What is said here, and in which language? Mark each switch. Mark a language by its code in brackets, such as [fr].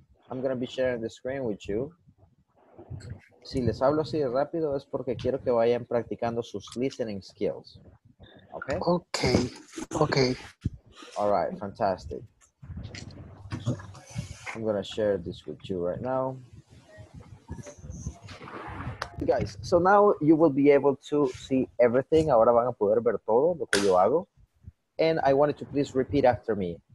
[en] I'm going to be sharing the screen with you. [es] Si les hablo así de rápido es porque quiero que vayan practicando sus listening skills. [en] Okay? Okay. Okay. All right, fantastic. I'm going to share this with you right now. Guys, so now you will be able to see everything. [es] Ahora van a poder ver todo lo que yo hago. [en] And I wanted to please repeat after me.